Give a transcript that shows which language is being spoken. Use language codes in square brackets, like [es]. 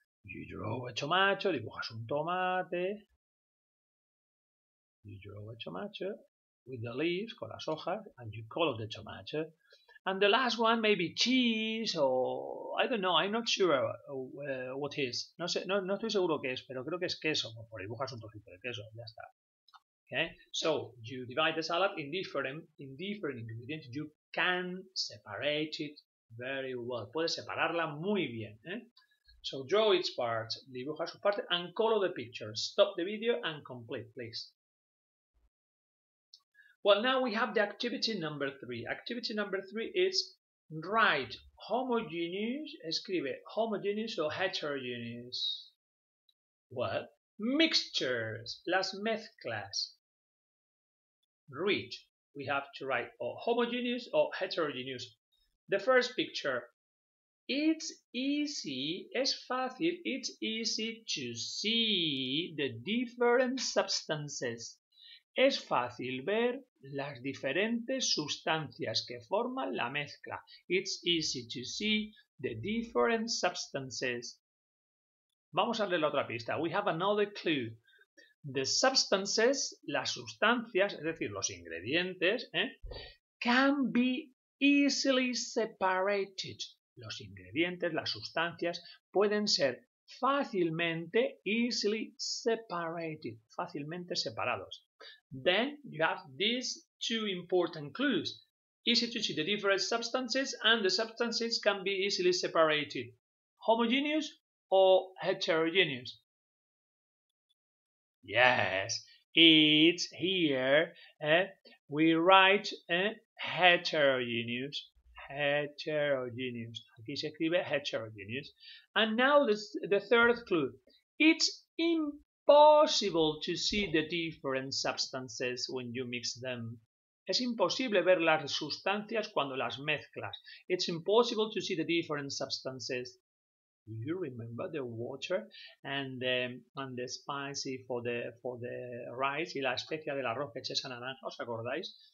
[en] You draw a tomato, [es] dibujas un tomate. [en] You draw a tomato with the leaves, [es] con las hojas, [en] and you color the tomato. And the last one, maybe cheese, or I don't know, I'm not sure what is. [es] No sé, no estoy seguro qué es, pero creo que es queso. Por dibujas un trocito de queso, ya está. [en] Okay, so you divide the salad in different ingredients. You can separate it very well. [es] Puedes separarla muy bien. [en] So draw its parts, [es] dibuja sus partes, [en] and color the picture. Stop the video and complete, please. Well, now we have the activity number 3. Activity number 3 is write homogeneous, escribe homogeneous or heterogeneous. Well, mixtures, [es] las mezclas. [en] Read, we have to write or homogeneous or heterogeneous. The first picture, it's easy to see the different substances. [es] Es fácil ver las diferentes sustancias que forman la mezcla. [en] It's easy to see the different substances. [es] Vamos a leer la otra pista. [en] We have another clue. The substances, [es] las sustancias, es decir, los ingredientes, [en] can be easily separated. [es] Los ingredientes, las sustancias, pueden ser fácilmente, [en] easily separated, [es] fácilmente separados. [en] Then you have these two important clues. Easy to see the different substances, and the substances can be easily separated. Homogeneous or heterogeneous? Yes, it's here. We write heterogeneous. [es] Heterogeneous. Aquí se escribe heterogeneous. [en] And now the third clue. It's impossible to see the different substances when you mix them. [es] Es imposible ver las sustancias cuando las mezclas. [en] It's impossible to see the different substances. Do you remember the water and the spicy for the rice [es] y la especia del arroz que eché esa naranja? ¿Os acordáis?